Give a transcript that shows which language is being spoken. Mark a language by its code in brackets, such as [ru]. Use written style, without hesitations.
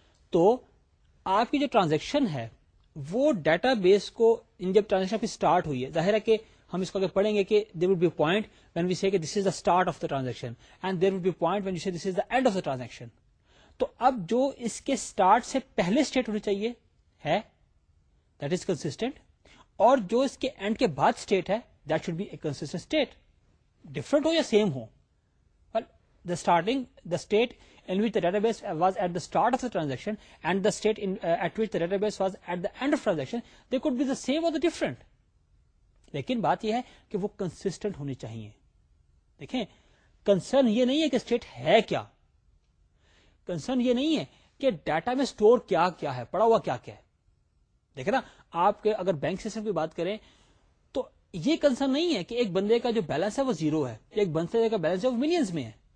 [ur] تو آپ کی جو ٹرانزیکشن ہے وہ ڈیٹا بیس کو، ان جب ٹرانزیکشن پھر اسٹارٹ ہوئی ہے، ظاہر ہے کہ ہم اس کو آگے پڑھیں گے کہ [en] There would be point when we say کہ this is the start of the transaction, and there would be point when we say this is the end of the transaction. [ur] تو اب جو اس کے اسٹارٹ سے پہلے اسٹیٹ ہونی چاہیے ہے، [en] that is constant, [ur] اور جو اس کے اینڈ کے بعد اسٹیٹ ہے [en] That should be a constant state. [ur] Different ہو یا same ہو، [en] the starting the state in which the database was at the start of the transaction and the state at which the database was at the end of transaction, they could be the same or the different, [ur] لیکن بات یہ ہے کہ وہ constant ہونی چاہیے. دیکھیں کنسرن یہ نہیں ہے کہ اسٹیٹ ہے کیا، کنسرن یہ نہیں ہے کہ ڈیٹا میں اسٹور کیا کیا ہے، پڑا ہوا کیا کیا ہے. دیکھیں نا آپ کے اگر بینک سسٹم کی بات کریں تو یہ کنسرن نہیں ہے کہ ایک بندے کا جو بیلنس ہے وہ زیرو ہے، ایک بندے کا بیلنس ہے وہ ملینز میں ہے.